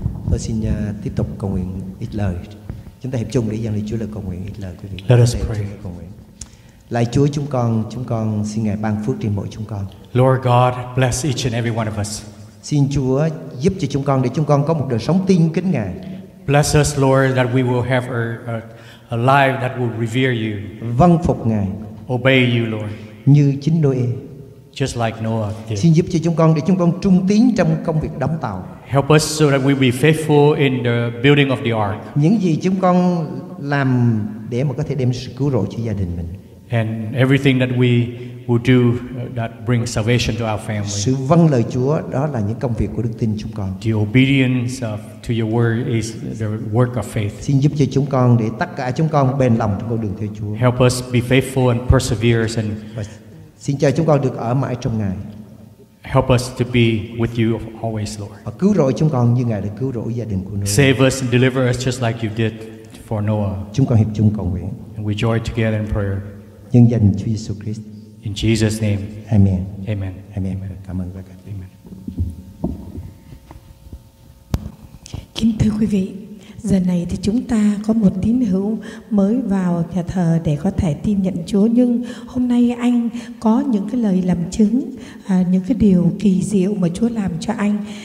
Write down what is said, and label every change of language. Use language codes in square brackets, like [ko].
[vi] Tôi xin tiếp tục cầu nguyện ít lời. Chúng ta hiệp chung để dâng lời Chúa lời cầu nguyện ít lời quý vị. [en] Let us pray. [vi] Lạy Chúa, chúng con xin Ngài ban phước trên mỗi chúng con. [en] Lord God, bless each and every one of us. [vi] Xin Chúa giúp cho chúng con để chúng con có một đời sống tin kính Ngài. [en] Bless us, Lord, that we will have a life that will revere you. [vi] Vâng phục Ngài. [en] Obey you, Lord. [vi] Như chính Noe. [en] Just like Noah did. [vi] Xin giúp cho chúng con để chúng con trung tín trong công việc đóng tàu. [en] Help us so that we be faithful in the building of the ark. [vi] Những gì chúng con làm để mà có thể đem sự cứu rỗi cho gia đình mình. [en] And everything that we will do that brings salvation to our family. [vi] Sự vâng lời Chúa đó là những công việc của đức tin chúng con. [en] The obedience to your word is the work of faith. [vi] Xin giúp cho chúng con để tất cả chúng con bền lòng trong con đường theo Chúa. [en] Help us be faithful and persevere and [vi] xin cho chúng con được ở mãi trong Ngài. [en] Help us to be with you always, Lord. [vi] Và cứu rỗi chúng con như Ngài đã cứu rỗi gia đình của Noah. [en] Save us and deliver us just like you did for Noah. [vi] Chúng con hiệp chung cầu nguyện. [en] And we join together in prayer. [vi] Nhân danh Chúa Giêsu Christ. [en] In Jesus' name. Amen. Amen. [vi] Amen. Amen. Cảm ơn các bạn. Amen. Kính thưa quý vị, giờ này thì chúng ta có một tín hữu mới vào nhà thờ để có thể tin nhận Chúa, nhưng hôm nay anh có những cái lời làm chứng, những cái điều kỳ diệu mà Chúa làm cho anh.